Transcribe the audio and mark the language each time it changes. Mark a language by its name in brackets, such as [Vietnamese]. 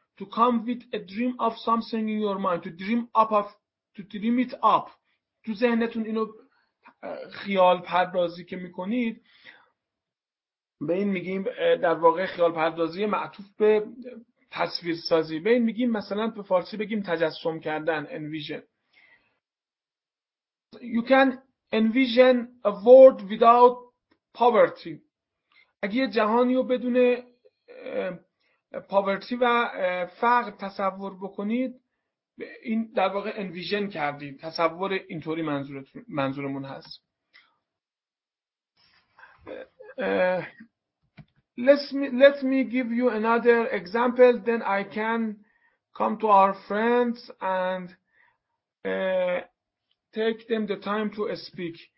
[English] To come with a dream of something in your mind. To dream it up. [Persian] تو ذهنتون اینو خیال پردازی که میکنید، به این میگیم در واقع خیال پردازی معطوف به تصویر سازی. به این میگیم مثلا به فارسی بگیم تجسم کردن، envision. [English] You can envision a world without poverty. [Persian] اگه یه جهانی رو بدون poverty و فقر تصور بکنید، این در واقع envision کردید. تصور اینطوری منظورمون هست. [English] Let me give you another example, then I can come to our friends and take them the time to speak.